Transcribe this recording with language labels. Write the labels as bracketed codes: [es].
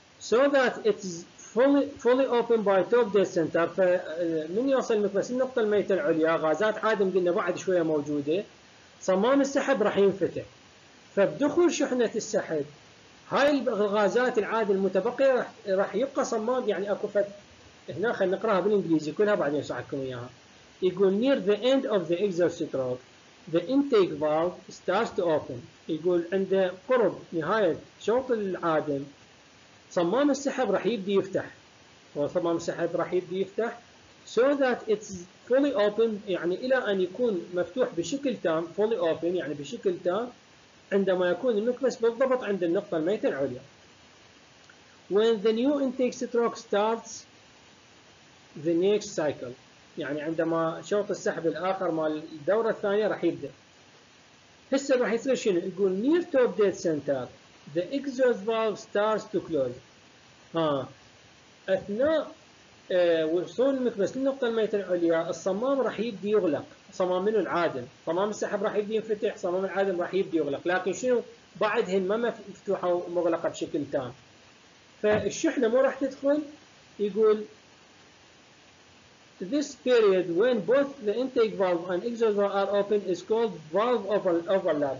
[en] So that it's fully open by top dead center، [ar] فمن يوصل المكبس النقطة الميتة العليا غازات عادم قلنا بعد شوية موجودة، صمام السحب راح ينفتح. فبدخول شحنة السحب هاي الغازات العادة المتبقية راح يبقى صمام. يعني اكو فد هنا خلينا نقراها بالانجليزي كلها بعدين اشرحكم اياها. [en] يقول near the end of the exhaust stroke the intake valve starts to open. [ar] يقول عند قرب نهاية شوط العادم صمام السحب راح يبدي يفتح. وصمام السحب راح يبدي يفتح [en] so that it's fully open, [ar] يعني الى ان يكون مفتوح بشكل تام. fully open يعني بشكل تام عندما يكون المكبس بالضبط عند النقطة الميتة العليا. [en] when the new intake stroke starts the next cycle, [ar] يعني عندما شوط السحب الاخر مال الدورة الثانية راح يبدا. هسه راح يصير شنو؟ يقول [en] near top dead center the exhaust valve starts to close. [ar] ها اثناء وصول المكبس للنقطة الميتة العليا الصمام راح يبدي يغلق. صمام منه العادم, صمام السحب راح يبدي ينفتح, صمام العادم راح يبدي يغلق, لكن شنو بعدهن ما مفتوحة ومغلقة بشكل تام, فالشحنة مو راح تدخل. [en] يقول this period when both the intake valve and exhaust valve are open is called valve overlap.